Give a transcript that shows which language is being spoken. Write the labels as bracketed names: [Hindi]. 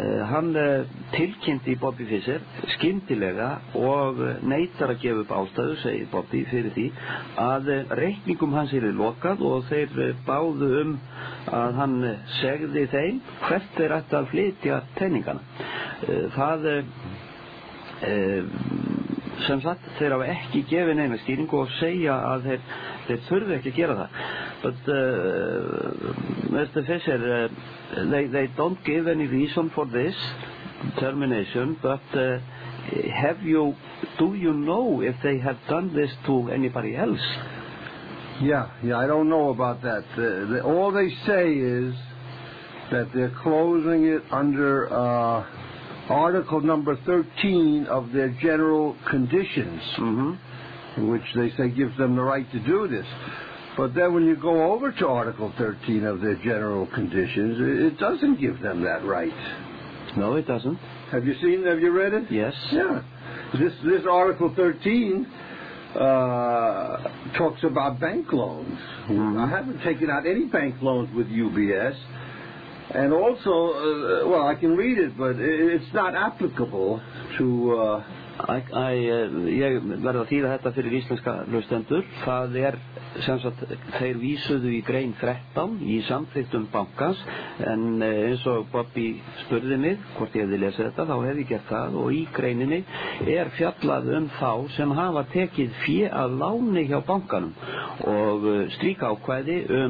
[Icelandic] Hann tilkynnti Bobby Fisher skyndilega og neitar að gefa upp ástæðu, segir Bobby, fyrir því að reikningum hans er lokað og þeir báðu að hann segði þeim hvert þeir ætti að flytja teiningana. Það sem sagt, þeir hafa ekki gefið neina skýringu og segja að þeir þurfi ekki að gera það. [English] But Mr. Fisher, they don't give any reason for this termination, but do you know if they have done this to anybody else? Yeah, I don't know about that. All they say is that they're closing it under Article number 13 of their general conditions, in which they say gives them the right to do this. But then when you go over to Article 13 of their general conditions, it doesn't give them that right. No, it doesn't. Have you seen, have you read it? Yes. Yeah. This Article 13 talks about bank loans. I haven't taken out any bank loans with UBS. And also, well, I can read it, but it's not applicable to... [Icelandic] Ég verð að þýða þetta fyrir íslenska hlustendur. Það sem sagt, þeir vísuðu í grein 13 í samþykktum bankans, en eins og Bobby spurði mig hvort ég hefði lesið þetta, þá hefði gert það, og í greininni er fjallað þá sem hafa tekið fé að láni hjá bankanum og stríka ákvæði